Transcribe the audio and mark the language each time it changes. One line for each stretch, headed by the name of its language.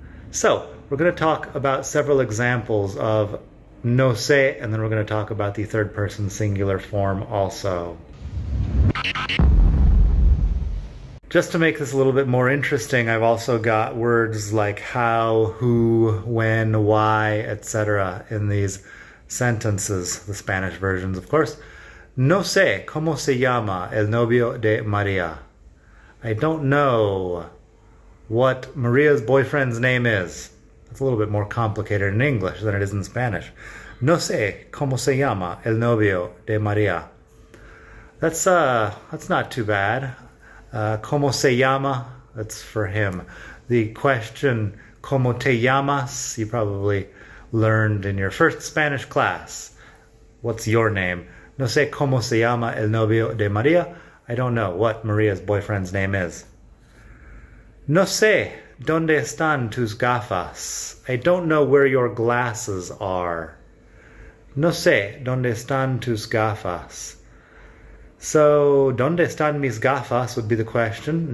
English: So, we're going to talk about several examples of no sé, and then we're going to talk about the third person singular form also. Just to make this a little bit more interesting, I've also got words like how, who, when, why, etc. in these sentences, the Spanish versions, of course.
Spanish: No sé cómo se llama el novio de María.
English: I don't know what María's boyfriend's name is. That's a little bit more complicated in English than it is in Spanish.
Spanish: No sé cómo se llama el novio de María.
English: That's not too bad.
Spanish: Cómo se llama,
English: that's for him. The question, cómo te llamas, you probably learned in your first Spanish class. What's your name?
Spanish: No sé cómo se llama el novio de María.
English: I don't know what María's boyfriend's name is.
Spanish: No sé dónde están tus gafas.
English: I don't know where your glasses are.
Spanish: No sé dónde están tus gafas.
English: So,
Spanish: dónde están mis gafas
English: would be the question.